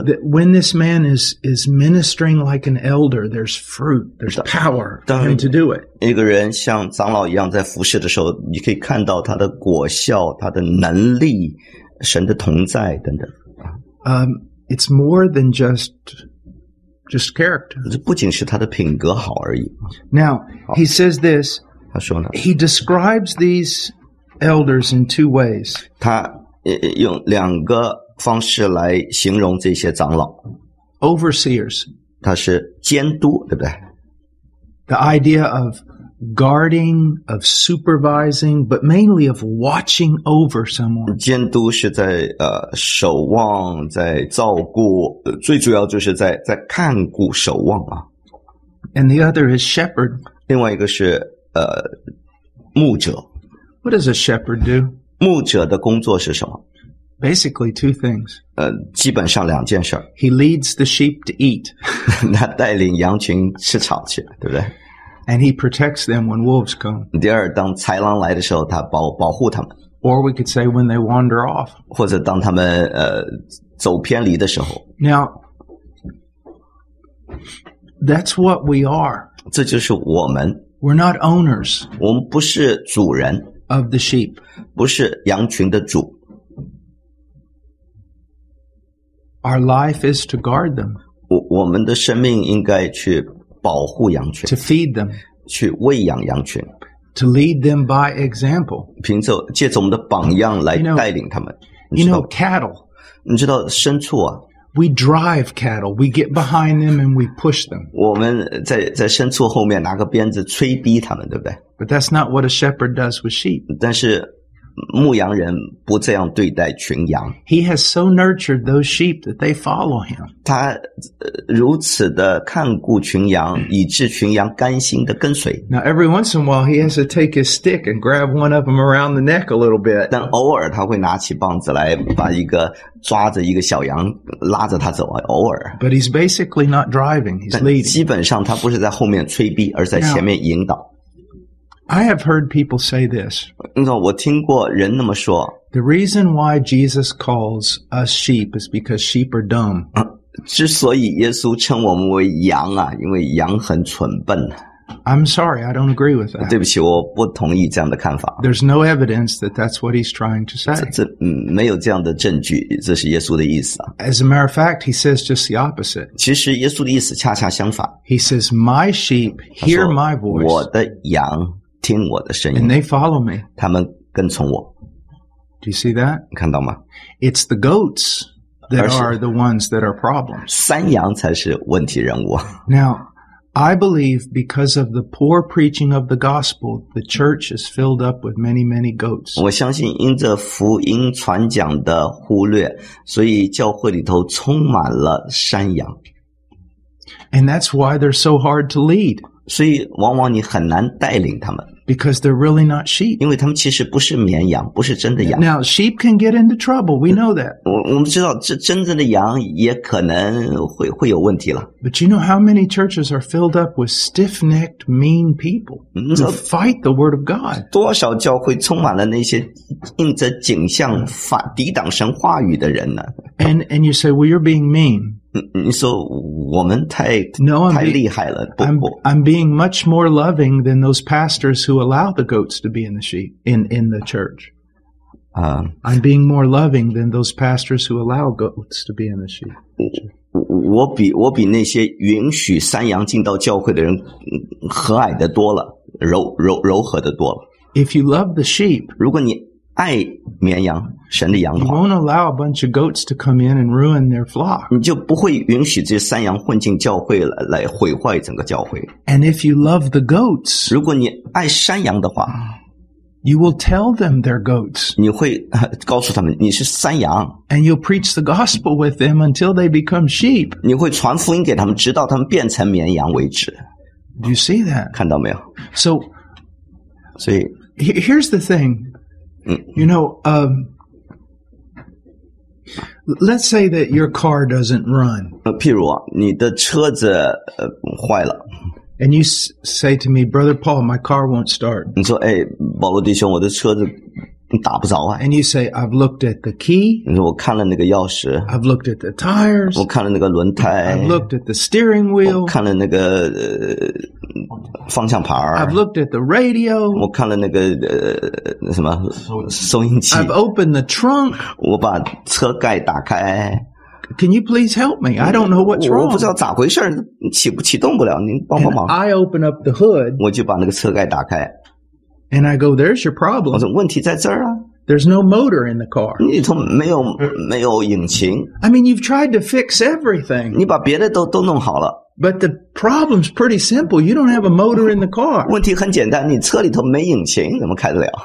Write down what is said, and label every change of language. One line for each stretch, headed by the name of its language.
English: That when this man is ministering like an elder, there's fruit, there's power for him to do it.
Chinese: 一个人像长老一样在服事的时候，你可以看到他的果效，他的能力，神的同在等等。
English: It's more than just character.
Chinese: 这不仅是他的品格好而已。
English: Now, he says this.
Chinese: 他说呢?
English: He describes these elders in two ways.
Chinese: 他用两个方式来形容这些长老。
English: Overseers.
Chinese: 他是监督，对不对?
English: The idea of guarding, of supervising, but mainly of watching over someone.
Chinese: 监督是在守望，在照顾，最主要就是在看顾守望啊。
English: And the other is shepherd.
Chinese: 另外一个是牧者。
English: What does a shepherd do?
Chinese: 牧者的工作是什么?
English: Basically two things.
Chinese: 基本上两件事。
English: He leads the sheep to eat.
Chinese: 他带领羊群吃草去，对不对?
English: And he protects them when wolves come.
Chinese: 第二，当豺狼来的时候，他保护他们。
English: Or we could say when they wander off.
Chinese: 或者当他们走偏离的时候。
English: Now, that's what we are.
Chinese: 这就是我们。
English: We're not owners.
Chinese: 我们不是主人。
English: Of the sheep.
Chinese: 不是羊群的主。
English: Our life is to guard them.
Chinese: 我们的生命应该去保护羊群。
English: To feed them.
Chinese: 去喂养羊群。
English: To lead them by example.
Chinese: 借着我们的榜样来带领他们。
English: You know, cattle.
Chinese: 你知道牲畜啊。
English: We drive cattle. We get behind them and we push them.
Chinese: 我们在牲畜后面拿个鞭子催逼他们，对不对?
English: But that's not what a shepherd does with sheep.
Chinese: 但是牧羊人不这样对待群羊。
English: He has so nurtured those sheep that they follow him.
Chinese: 他如此的看顾群羊，以致群羊甘心的跟随。
English: Now every once in a while he has to take his stick and grab one of them around the neck a little bit.
Chinese: 但偶尔他会拿起棒子来把一个抓着一个小羊拉着他走，偶尔。
English: But he's basically not driving, he's leading.
Chinese: 基本上他不是在后面催逼，而在前面引导。
English: I have heard people say this.
Chinese: 我听过人那么说。
English: The reason why Jesus calls us sheep is because sheep are dumb.
Chinese: 之所以耶稣称我们为羊啊，因为羊很蠢笨。
English: I'm sorry, I don't agree with that.
Chinese: 对不起，我不同意这样的看法。
English: There's no evidence that that's what he's trying to say.
Chinese: 没有这样的证据，这是耶稣的意思啊。
English: As a matter of fact, he says just the opposite.
Chinese: 其实耶稣的意思恰恰相反。
English: He says, my sheep hear my voice.
Chinese: 我的羊听我的声音。
English: And they follow me.
Chinese: 他们跟从我。
English: Do you see that?
Chinese: 看到吗?
English: It's the goats that are the ones that are problems.
Chinese: 山羊才是问题人物。
English: Now, I believe because of the poor preaching of the gospel, the church is filled up with many, many goats.
Chinese: 我相信因着福音传讲的忽略，所以教会里头充满了山羊。
English: And that's why they're so hard to lead.
Chinese: 所以往往你很难带领他们。
English: Because they're really not sheep.
Chinese: 因为他们其实不是绵羊，不是真的羊。
English: Now, sheep can get into trouble, we know that.
Chinese: 我们知道这真正的羊也可能会有问题了。
English: But you know how many churches are filled up with stiff-necked, mean people who fight the word of God?
Chinese: 多少教会充满了那些硬着颈项反抵挡神话语的人呢？
English: And you say, well, you're being mean.
Chinese: 你说我们太厉害了。不不。
English: I'm being much more loving than those pastors who allow the goats to be in the church. I'm being more loving than those pastors who allow goats to be in the sheep.
Chinese: 我比那些允许山羊进到教会的人和蔼的多了，柔和的多了。
English: If you love the sheep,
Chinese: 如果你爱绵羊，神的羊的话，
English: you won't allow a bunch of goats to come in and ruin their flock.
Chinese: 你就不会允许这些山羊混进教会来毁坏整个教会。
English: And if you love the goats,
Chinese: 如果你爱山羊的话，
English: you will tell them they're goats.
Chinese: 你会告诉他们你是山羊。
English: And you'll preach the gospel with them until they become sheep.
Chinese: 你会传福音给他们，直到他们变成绵羊为止。
English: Do you see that?
Chinese: 看到没有？
English: So, here's the thing. You know, let's say that your car doesn't run.
Chinese: 譬如啊，你的车子坏了。
English: And you say to me, Brother Paul, my car won't start.
Chinese: 你说，哎，保罗弟兄，我的车子打不着啊。
English: And you say, I've looked at the key.
Chinese: 你说我看了那个钥匙。
English: I've looked at the tires.
Chinese: 我看了那个轮胎。
English: I've looked at the steering wheel.
Chinese: 我看了那个方向盘。
English: I've looked at the radio.
Chinese: 我看了那个什么收音机。
English: I've opened the trunk.
Chinese: 我把车盖打开。
English: Can you please help me? I don't know what's wrong.
Chinese: 我不知道咋回事，启动不了，您帮忙。
English: And I open up the hood.
Chinese: 我就把那个车盖打开。
English: And I go, there's your problem.
Chinese: 我说问题在这儿啊。
English: There's no motor in the car.
Chinese: 你里头没有引擎。
English: I mean, you've tried to fix everything.
Chinese: 你把别的都弄好了。
English: But the problem's pretty simple. You don't have a motor in the car.
Chinese: 问题很简单，你车里头没引擎，怎么开得了？